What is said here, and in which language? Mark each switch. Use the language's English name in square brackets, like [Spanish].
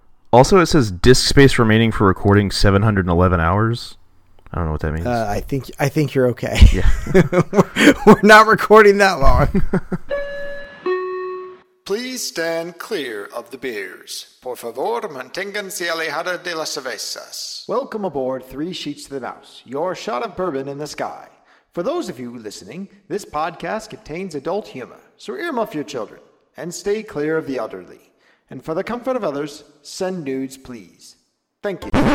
[English] Also, it says disk space remaining for recording 711 hours. I don't know what that means. I think you're okay. Yeah. we're not recording that long. Please stand clear of the beers. [Spanish] Por favor, manténganse alejada de las cervezas. [English] Welcome aboard Three Sheets to the Mouse, your shot of bourbon in the sky. For those of you listening, this podcast contains adult humor, so earmuff your children and stay clear of the elderly. And for the comfort of others, send nudes, please. Thank you.